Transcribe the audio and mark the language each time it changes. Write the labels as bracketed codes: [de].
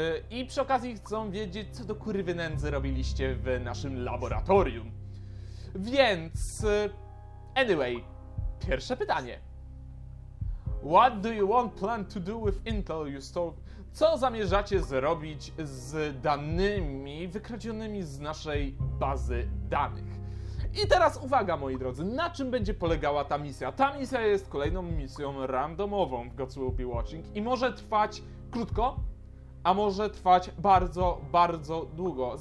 [pl] I przy okazji chcą wiedzieć, co do kurwy nędzy robiliście w naszym laboratorium. Więc... Anyway, pierwsze pytanie. [en] What do you want plan to do with Intel you stole? [pl] Co zamierzacie zrobić z danymi wykradzionymi z naszej bazy danych? I teraz uwaga, moi drodzy, na czym będzie polegała ta misja? Ta misja jest kolejną misją randomową w God's Will Be Watching i może trwać krótko, a może trwać bardzo, bardzo długo.